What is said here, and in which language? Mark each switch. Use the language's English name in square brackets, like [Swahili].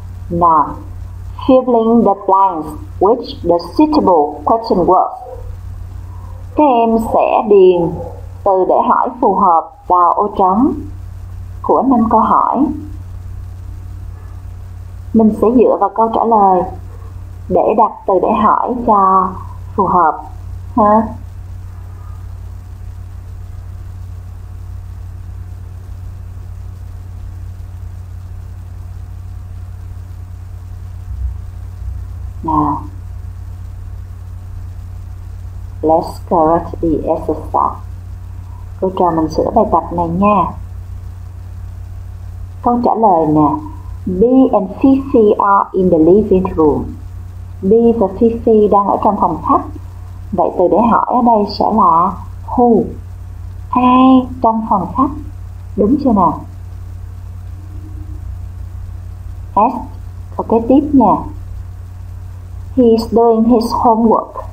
[English] Now, filling the blanks with the suitable question words. [Vietnamese] Các em sẽ điền từ để hỏi phù hợp vào ô trống của năm câu hỏi. Mình sẽ dựa vào câu trả lời để đặt từ để hỏi cho phù hợp ha. [English] Now, let's correct the exercise. [Vietnamese] Cô trò mình sửa bài tập này nha. Câu trả lời nè. [English] B and Fifi are in the living room. [Vietnamese] B và Fifi đang ở trong phòng khách. Vậy từ để hỏi ở đây sẽ là who? Ai trong phòng khách? Đúng chưa nào? [English] S, [Vietnamese] câu kế tiếp nha. [English] He is doing his homework.